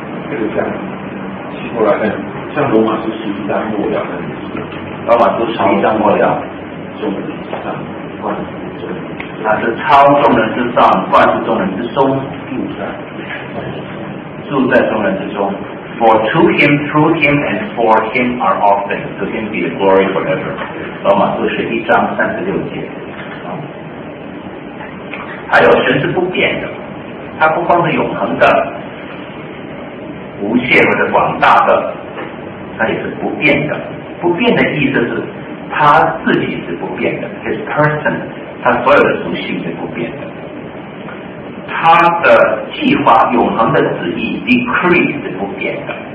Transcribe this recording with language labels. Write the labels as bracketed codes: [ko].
[zh] 就是像罗马书十一章末了的意思，罗马书十一章末了，众人之上，万事中，那是超众人之上，万事众人之中，住在众人之中。 [en] For to him, through him, and for him are all things. To him be the glory forever. [zh] 罗马书十一章三十六节。还有神是不变的，他不光是永恒的。无限或者广大的，它也是不变的。不变的意思是他自己是不变的， [en] his person， [zh] 他所有的属性是不变的，他的计划永恒的旨意 decree 是不变的，